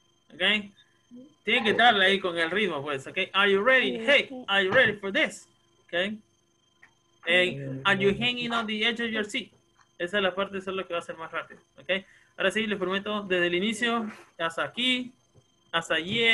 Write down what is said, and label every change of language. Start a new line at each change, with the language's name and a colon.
Spanish: Okay. Tiene que darle ahí con el ritmo, pues.
English: Okay. Are you ready? Hey, are you ready for this? Okay. Hey, are you hanging on the edge of your seat?
Spanish: Esa es la parte, eso es lo que va a ser más rápido. Okay. Ahora sí, les prometo, desde el inicio hasta aquí, hasta allí.